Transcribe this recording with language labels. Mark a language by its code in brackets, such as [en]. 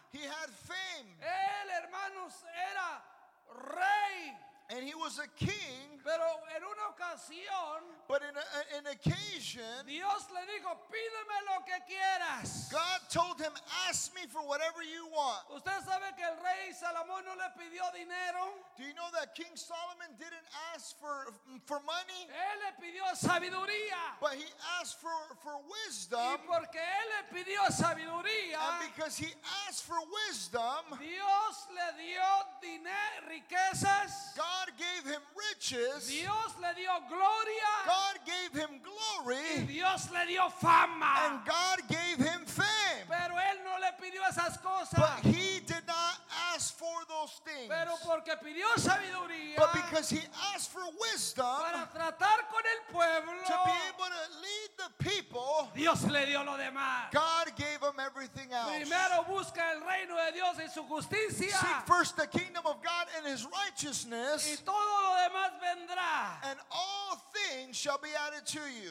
[en] He had fame. [es] Él, hermanos, era rey. [en] And he was a king. [es] Pero en una ocasión, [en] but in an occasion, [es] Dios le dijo, pídeme lo que quieras. [en] God told him, ask me for whatever you want. [es] ¿Usted sabe que el rey Salomón no le pidió dinero? [en] Do you know that King Solomon didn't ask for money? [es] Él le pidió sabiduría. [en] But he asked for wisdom. [es] Y porque él le pidió sabiduría, [en] and because he asked for wisdom, [es] Dios le dio riquezas. [en] God gave him riches. [es] Dios le dio gloria. [en] God gave him glory. [es] Y Dios le dio fama. [en] And God gave him fame. [es] Pero él no le pidió esas cosas. [en] But he did not ask for those things. [es] Pero porque pidió sabiduría. [en] But because he asked for wisdom. [es] Para tratar con el pueblo. [en] To be able to lead the people. [es] Dios le dio lo demás. [en] God gave him everything else. [es] Primero busca el reino de Dios y su justicia. [en] Seek first the kingdom of God and his righteousness. [es] Y todo lo demás vendrá. [en] And all things shall be added to you.